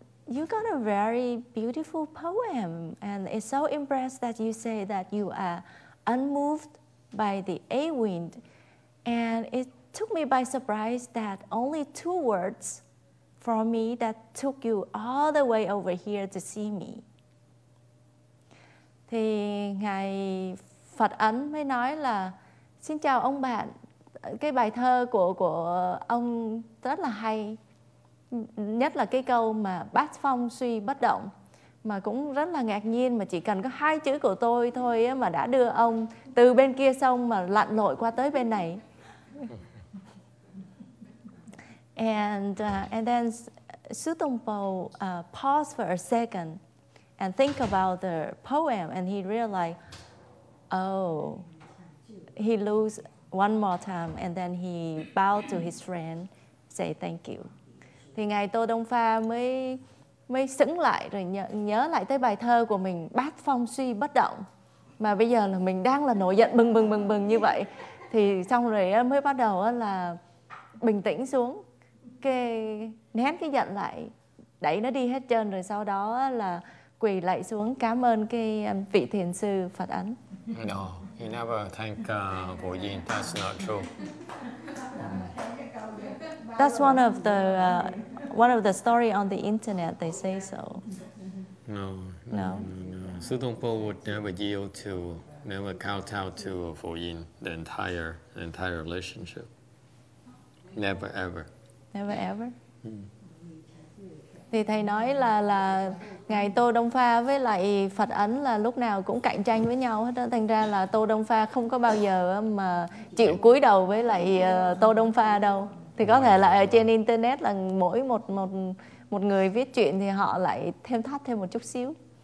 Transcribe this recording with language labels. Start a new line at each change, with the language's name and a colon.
English: You got a very beautiful poem, and it's so impressed that you say that you are unmoved by the A wind. And it took me by surprise that only two words from me that took you all the way over here to see me.
Vietnamese: Thì ngài Phật Ấn mới nói là xin chào ông bạn, cái bài thơ của ông rất là hay. Nhất là cái câu mà bát phong suy bất động, mà cũng rất là ngạc nhiên mà chỉ cần có hai chữ của tôi thôi mà đã đưa ông từ bên kia sông mà lặn lội qua tới bên này.
English: And then Su Tongpo paused for a second and think about the poem, and he realized, oh, he lose one more time, and then he bowed to his friend, say thank you.
Vietnamese: Thì ngài Tô Đông Pha mới sững lại rồi nhớ lại tới bài thơ của mình Bát Phong Suy Bất Động, mà bây giờ là mình đang là nổi giận bừng như vậy, thì xong rồi mới bắt đầu là bình tĩnh xuống, nén cái giận lại, đẩy nó đi hết trơn, rồi sau đó là quỳ lại xuống cảm ơn cái vị thiền sư Phật Ấn.
English: No, he never thank Bồ Yên. That's not true. That's one of the story on the internet. They say so. No. Su Tong Po would never kowtow to Bồ Yên the entire relationship. Never ever.
Vietnamese: Thì thầy nói là ngài Tô Đông Pha với lại Phật Ấn là lúc nào cũng cạnh tranh với nhau hết đó. Thành ra là Tô Đông Pha không có bao giờ mà chịu cúi đầu với lại Tô Đông Pha đâu. Thì có thể là ở trên internet là mỗi một người viết chuyện thì họ lại thêm thắt thêm một chút xíu.